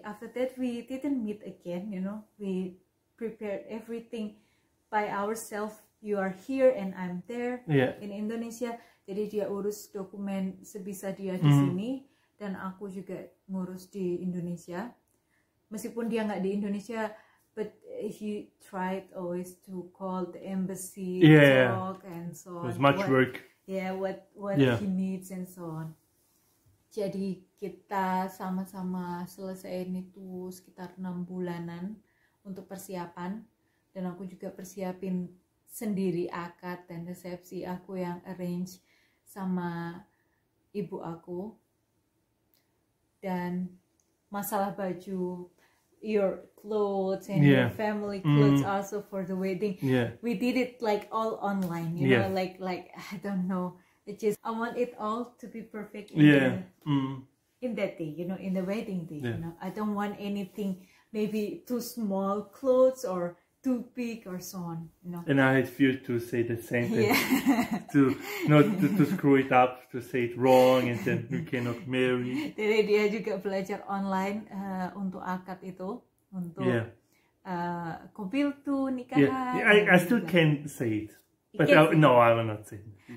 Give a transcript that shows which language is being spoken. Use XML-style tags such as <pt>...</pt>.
<en>After that, we didn't meet again, you know. We prepared everything by ourselves. You are here and I'm there in Indonesia.</en> <id>Jadi dia urus dokumen sebisa dia di sini. Dan aku juga ngurus di Indonesia. Meskipun dia nggak di Indonesia,</id> <en>but he tried always to call the embassy, talk, and so on. There's much work. What he needs and so on.</en> <id>Jadi kita sama-sama selesaiin itu sekitar 6 bulanan untuk persiapan. Dan aku juga persiapin sendiri akad dan resepsi, aku yang arrange sama ibu aku. Dan masalah baju,</id> <en>your clothes and your family clothes also for the wedding. Yeah. We did it like all online, you know, like I don't know. It just, I want it all to be perfect in that day, you know, in the wedding day, you know. I don't want anything, maybe too small clothes or too big or so on, you know. And I had fear to say the same thing, to screw it up, to say it wrong, and then you cannot marry.</en> <id>Jadi dia juga belajar online untuk akad itu, untuk kumpil itu, nikahan.</id> <en>I still can say it, but no, I will not say it.</en>